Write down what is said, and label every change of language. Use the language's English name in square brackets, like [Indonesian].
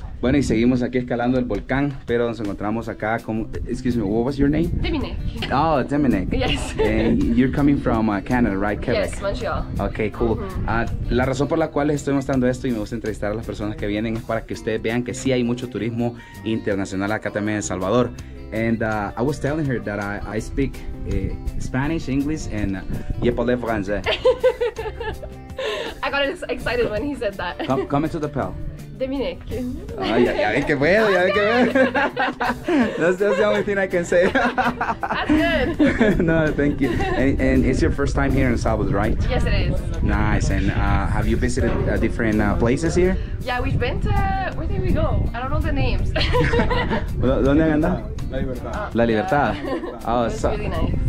[Spanish] Bueno, y seguimos aquí escalando el volcán, pero nos encontramos acá como... [English] Excuse me, what was your name? Dominic. Oh, Dominic. Yes. You're coming from Canada, right? Quebec. Yes, Montreal. Okay, cool. [Spanish] La razón por la cual les estoy mostrando esto y me gusta entrevistar a las personas que vienen es para que ustedes vean que sí hay mucho turismo internacional acá también en El Salvador. [English] And I was telling her that I speak Spanish, English, and [French] je parle français. [English] I got excited when he said that. Come into the pal. Dominic. [Spanish] Oh, ya ven que puedo, ya ven que puedo. [English] That's the only thing I can say. That's good. No, thank you. And it's your first time here in Salvador, right? Yes, it is. Nice. And have you visited different places here? Yeah, we've been to... Where did we go? I don't know the names. Well, [Spanish] ¿dónde han andado? La Libertad. La Libertad. [English] Yeah. Oh, it's really nice.